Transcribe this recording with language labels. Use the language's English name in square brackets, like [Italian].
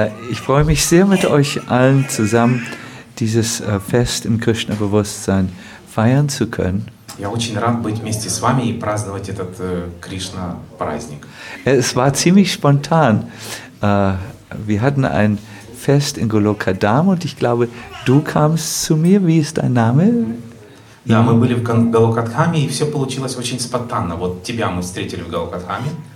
[German] Ich freue mich sehr, mit euch allen zusammen dieses Fest im Krishna-Bewusstsein feiern zu können. [Russian] Я очень рад быть вместе с вами и праздновать этот Krishna праздник. [German] Es war ziemlich spontan. Wir hatten ein Fest in Goloka Dham und ich glaube, du kamst zu mir. Wie ist dein Name? [Russian] Ja, мы были в Голокадхаме и все получилось очень спонтанно. Вот тебя мы встретили в Голокадхаме.